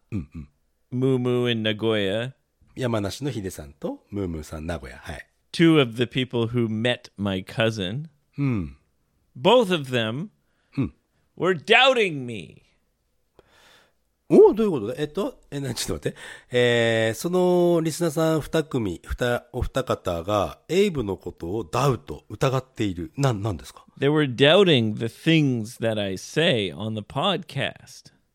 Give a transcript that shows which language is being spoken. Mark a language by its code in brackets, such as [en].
[en] ムームー in Nagoya [ja] 山梨のヒデさんとムームーさん名古屋、はい、 [en] Two of the people who met my cousin,、both of them、were doubting me. [ja] おお、どういうことだ、ちょっと待って、そのリスナーさん2組、お二方がエイブのことをダウト、疑っている。なんですか？ [en] They were doubting the things that I say on the podcast.